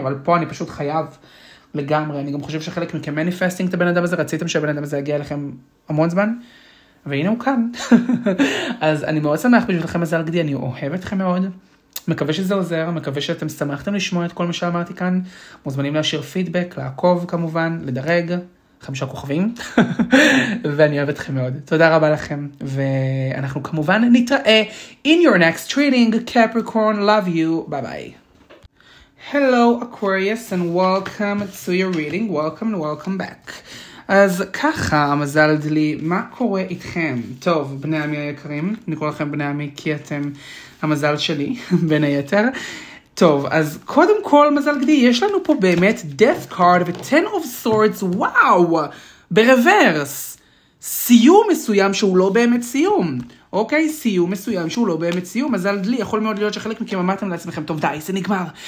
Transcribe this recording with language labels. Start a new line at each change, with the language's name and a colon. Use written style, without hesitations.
Hebrew: אבל פה אני פשוט חייב לגמרי, אני גם חושב שחלק מכם מניפסטינג את הבן אדם הזה, רציתם שהבן אדם הזה יגיע אליכם המון זמן, והנה הוא כאן. אז אני מאוד שמח בשבילכם, מזל גדי, אני אוהב אתכם מאוד, מקווה שזה עוזר, מקווה שאתם שמחתם לשמוע את כל מה שאמרתי כאן, מוזמנים להשאיר פידבק, לעקוב כמובן, לדרג, 5 כוכבים, ואני אוהב אתכם מאוד. תודה רבה לכם, ואנחנו כמובן נתראה
English: in your next reading, Capricorn, love you, bye bye. Hello Aquarius and welcome to your reading, welcome and welcome back.
Hebrew: אז ככה, המזל דלי, מה קורה איתכם? טוב, בני עמי היקרים, אני קורא לכם בני עמי כי אתם המזל שלי, בין היתר. טוב, אז קודם כל, מזל גדי, יש לנו פה באמת Death Card ו-Ten of Swords, וואו, ברברס, סיום מסוים שהוא לא באמת סיום, אוקיי, סיום מסוים שהוא לא באמת סיום, מזל דלי, יכול מאוד להיות שחלק מכם אמרתם לעצמכם, טוב די, זה נגמר,